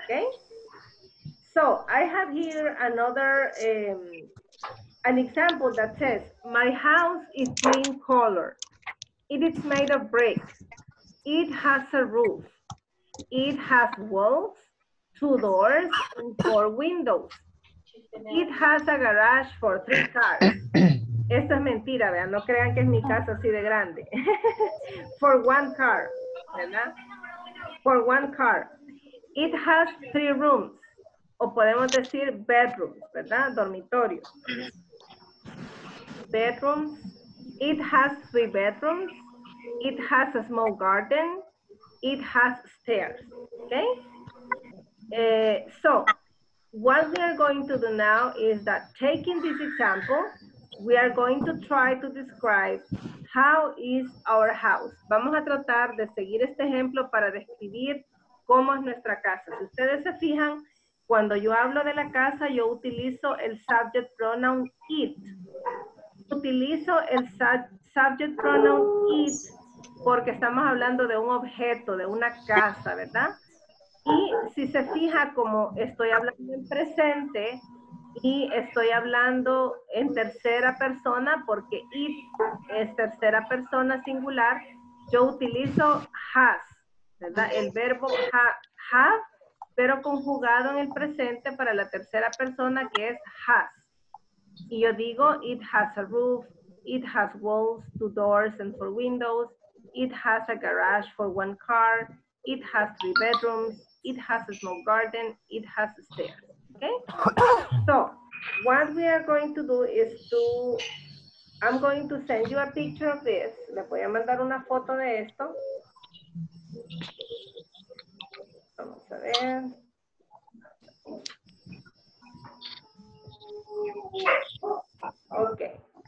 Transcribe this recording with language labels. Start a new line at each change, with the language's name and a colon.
English: Okay. So, I have here another an example that says, my house is green color. It is made of bricks. It has a roof. It has walls, two doors, and four windows. It has a garage for three cars.
Spanish: Esto es mentira, vean. No crean que es mi casa así de grande.
English: For one car,
Spanish: ¿verdad?
English: For one car. It has three rooms.
Spanish: O podemos decir bedrooms, ¿verdad? Dormitorio.
English: Bedrooms. It has three bedrooms. It has a small garden. It has stairs. Okay? So, what we are going to do now is that taking this example, we are going to try to describe how is our house.
Spanish: Vamos a tratar de seguir este ejemplo para describir cómo es nuestra casa. Si ustedes se fijan, cuando yo hablo de la casa, yo utilizo el subject pronoun it. Utilizo el subject pronoun it porque estamos hablando de un objeto, de una casa, ¿verdad? Y si se fija, como estoy hablando en presente y estoy hablando en tercera persona, porque if es tercera persona singular, yo utilizo has, ¿verdad? El verbo have, pero conjugado en el presente para la tercera persona, que es has. Y yo digo,
English: it has a roof, it has walls, two doors and four windows, it has a garage for one car, it has three bedrooms, it has a small garden, it has a stairs. Okay? So, what we are going to do is to, I'm going to send you a picture of this.
Spanish: Le voy a mandar una foto de esto. Vamos a ver.
English: Okay.